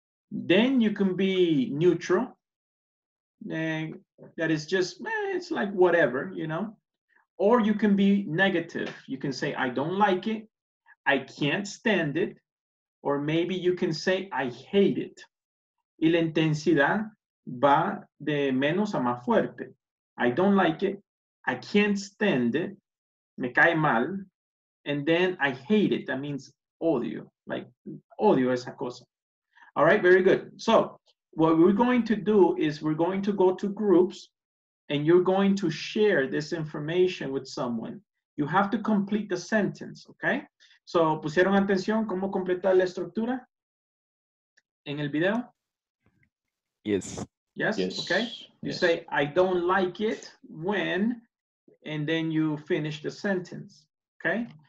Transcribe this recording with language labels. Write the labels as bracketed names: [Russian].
[English] Then you can be neutral. That is just, it's like whatever, you know? Or you can be negative. You can say, I don't like it, I can't stand it, or maybe you can say, I hate it. [Spanish] Y la intensidad va de menos a más fuerte. [English] I don't like it, I can't stand it, me cae mal, and then I hate it. That means odio, like odio esa cosa. All right, very good. So what we're going to do is we're going to go to groups, and you're going to share this information with someone. You have to complete the sentence, okay? [Spanish] So, ¿pusieron atención cómo completar la estructura en el video? [English] Yes. Yes, yes. Okay. You yes. Say, I don't like it when, and then you finish the sentence, okay?